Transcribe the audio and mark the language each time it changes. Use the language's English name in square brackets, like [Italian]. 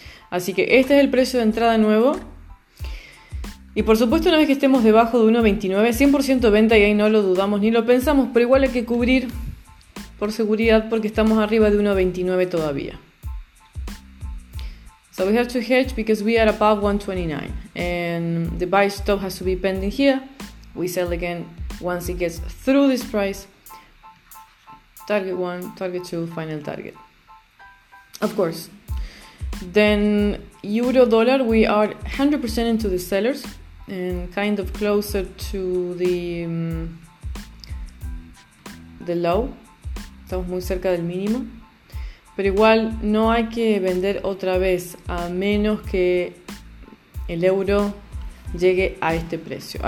[Spanish] Así que este es el precio de entrada nuevo. Y por supuesto, una vez que estemos debajo de 1.29, 100% venta y ahí no lo dudamos ni lo pensamos, pero igual hay que cubrir por seguridad porque estamos arriba de 1.29 todavía. [English] So we have to hedge because we are above 129 and the buy stop has to be pending here. We sell again once it gets through this price. Target 1, target 2, final target. Of course. Then euro dollar, we are 100% into the sellers and kind of closer to the low. [Spanish] Estamos muy cerca del mínimo. Pero igual no hay que vender otra vez a menos que el euro llegue a este precio.